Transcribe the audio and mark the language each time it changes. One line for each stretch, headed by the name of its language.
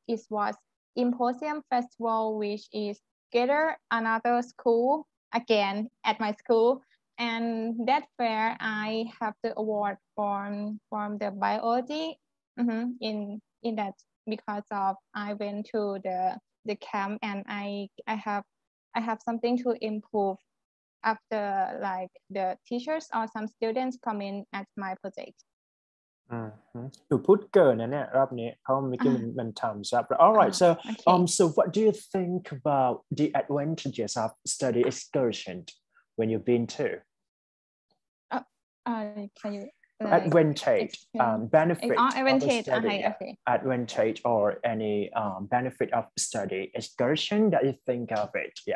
English: was Symposium Festival which is gather another school again at my school and that fair I have the award from the biology in that because of I went to the camp and I have something to improve after like the teachers or some students come in at my project
Thai: หนูพูดเกินนะเนี่ยรอบนี้เพราะเมื่อกี้มันทำซับ
English: All right so okay. So what do you think about the advantages of study excursion when you've been to advantage benefit advantage or any benefit of study excursion that you think of it